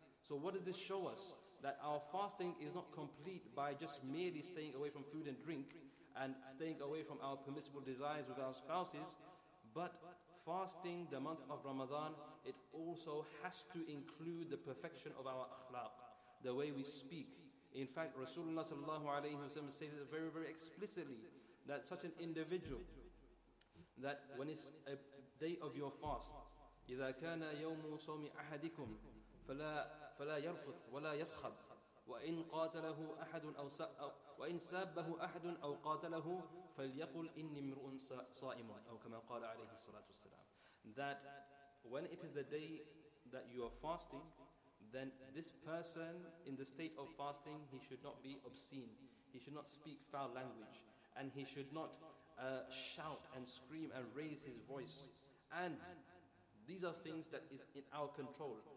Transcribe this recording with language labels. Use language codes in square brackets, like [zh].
[en] So what does this show us? That our fasting is not complete by just merely staying away from food and drink and staying away from our permissible desires with our spouses. But fasting the month of Ramadan, it also has to include the perfection of our akhlaq, the way we speak. In fact, Rasulullah sallallahu alayhi wa sallam says it very, very explicitly that such an individual, that when it's a day of your fast, [ar] إذا كان يوم صوم أحدكم فلا يرفث ولا يسخب وإن قاتله أحد أو وإن سابه أحد أو قاتله فليقل إني امرؤ صائم أو كما قال عليه الصلاة والسلام. [en] That when it is the day that you are fasting, then this person in the state of fasting, he should not be obscene, he should not speak foul language, and he should not shout and scream and raise his voice. And these are things that is in our control.